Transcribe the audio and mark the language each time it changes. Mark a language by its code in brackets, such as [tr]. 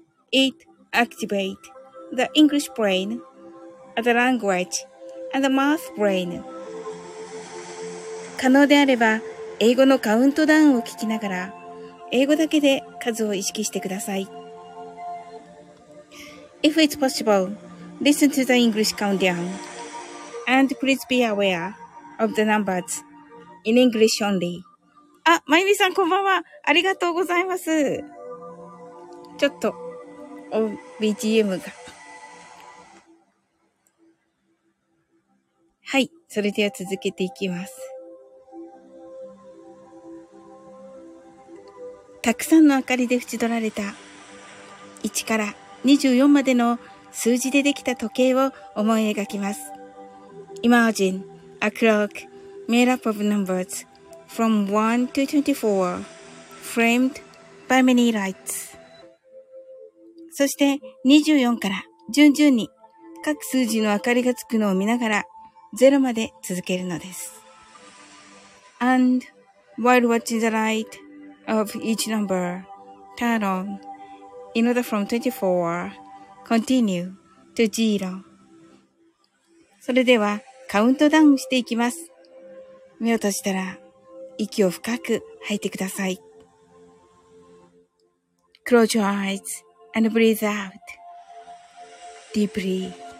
[en] It activates the English brain. The language and the math brain. [ja] 可能であれば、英語のカウントダウンを聞きながら、英語だけで数を意識してください。 [en] If it's possible, listen to the English countdown. And please be aware of the numbers in English only. [ja] あ、まゆみさん、こんばんは。ありがとうございます。ちょっと、BGM が。はい、それでは続けていきます。たくさんの明かりで縁取られた1から24までの数字でできた時計を思い描きます。 [en] Imagine a clock made up of numbers from 1 to 24 framed by many lights。 [ja] そして24から順々に各数字の明かりがつくのを見ながらゼロまで続けるのです。 [en] And while watching the light of each number turn on in order from 24, continue to zero. [ja] それではカウントダウンしていきます。目を閉じたら息を深く吐いてください。 [en] Close your eyes and breathe out deeply.